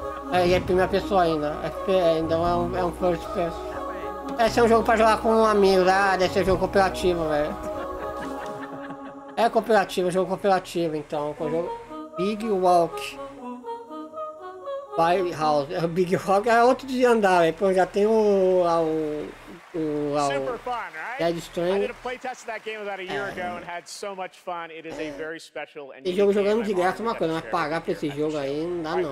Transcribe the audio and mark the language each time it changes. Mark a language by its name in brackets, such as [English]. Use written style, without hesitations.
[Portuguese] É, e é primeira pessoa ainda. É um first person. Esse é um jogo pra jogar com um amigo, né? Ah, deve ser um jogo cooperativo, velho. É um jogo cooperativo, então. Com o jogo Big Walk. By House. O Big Walk é outro de andar, velho. Pô, já tem o... [English] Super fun, right? I did a playtest of that game about a year ago and had so much fun. It is a very special and unique game. [Portuguese] Jogando de graça uma coisa, mas pagar pra esse jogo aí não dá não.